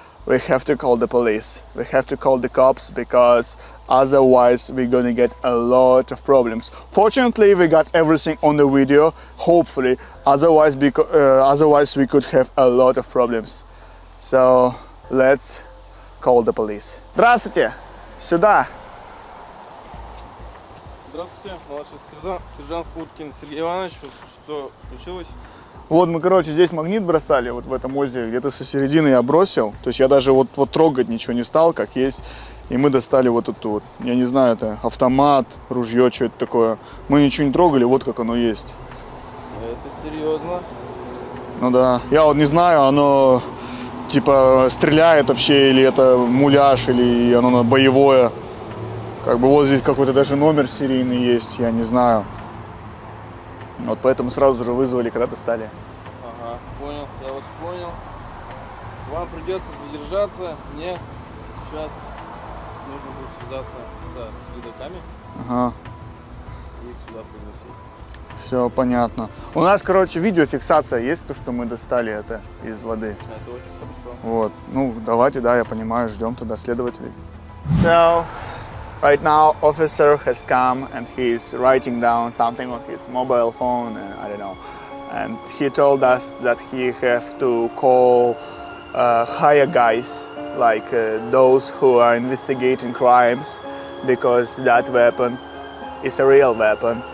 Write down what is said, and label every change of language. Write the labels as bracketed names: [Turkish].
[English] We have to call the police. We have to call the cops, because otherwise we're gonna get a lot of problems. Fortunately, we got everything on the video, hopefully. Otherwise we could have a lot of problems. So let's call the police. [Russian] Здравствуйте! Сюда! Здравствуйте, сержант Уткин Сергей Иванович, что случилось? Вот мы, короче, здесь магнит бросали, вот в этом озере, где-то со середины я бросил. То есть я даже вот трогать ничего не стал, как есть. И мы достали вот эту вот, я не знаю, это автомат, ружье, что это такое. Мы ничего не трогали, вот как оно есть. Это серьезно? Ну да, я вот не знаю, оно типа стреляет вообще, или это муляж, или оно боевое. Как бы вот здесь какой-то даже номер серийный есть, я не знаю. Вот поэтому сразу же вызвали, когда достали. Ага, понял, я вас понял. Вам придется задержаться, мне сейчас нужно будет связаться со следаками. Ага. И их сюда пригласить. Все понятно. У нас, короче, видеофиксация есть, то, что мы достали это из воды. Это очень хорошо. Вот. Ну, давайте, да, я понимаю, ждем тогда следователей. [English] So, right now officer has come and he's writing down something on his mobile phone, I don't know. And he told us that he have to call higher guys, like those who are investigating crimes, because that weapon is a real weapon.